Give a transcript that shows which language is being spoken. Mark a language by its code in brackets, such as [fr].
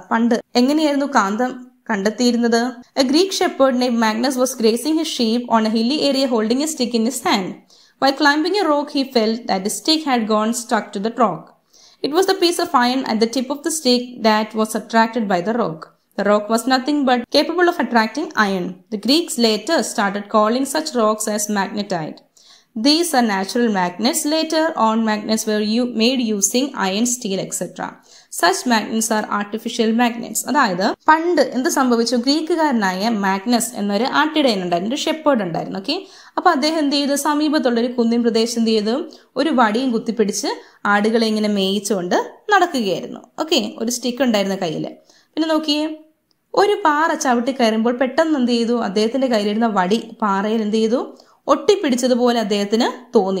[ml] പണ്ട് എങ്ങനെയായിരുന്നു കാന്തം കണ്ടെത്തിയിരുന്നത്, [en] A Greek shepherd named Magnus was grazing his sheep on a hilly area holding a stick in his hand. While climbing a rock he felt that the stick had gone stuck to the rock. It was the piece of iron at the tip of the stick that was attracted by the rock. The rock was nothing but capable of attracting iron. The Greeks later started calling such rocks as magnetite. These are natural magnets. Later on, magnets were made using iron, steel, etc. Such magnets are artificial magnets. [ml] അതായത് പണ്ട് എന്ത് സംഭവിച്ചു, ഗ്രീക്കുകാരനായ Magnus എന്നൊരു ആട്ടിടയൻ ഉണ്ടായിരുന്നു, shepherd ഉണ്ടായിരുന്നു. Okay, അപ്പൊ അദ്ദേഹം എന്ത് ചെയ്ത്, സമീപത്തുള്ള ഒരു കുന്നിൻ പ്രദേശം എന്ത് ചെയ്തു, ഒരു വടിയും കുത്തിപ്പിടിച്ച് ആടുകളെ ഇങ്ങനെ മേയിച്ചുകൊണ്ട് നടക്കുകയായിരുന്നു. ഓക്കെ, ഒരു സ്റ്റിക്ക് ഉണ്ടായിരുന്നു കയ്യിൽ. പിന്നെ നോക്കിയേ, ഒരു പാറ ചവിട്ടി കയറുമ്പോൾ പെട്ടെന്ന് എന്ത് ചെയ്തു, അദ്ദേഹത്തിന്റെ കയ്യിലിരുന്ന വടി പാറയിൽ എന്ത് ചെയ്തു, ഒട്ടിപ്പിടിച്ചതുപോലെ അദ്ദേഹത്തിന് തോന്നി.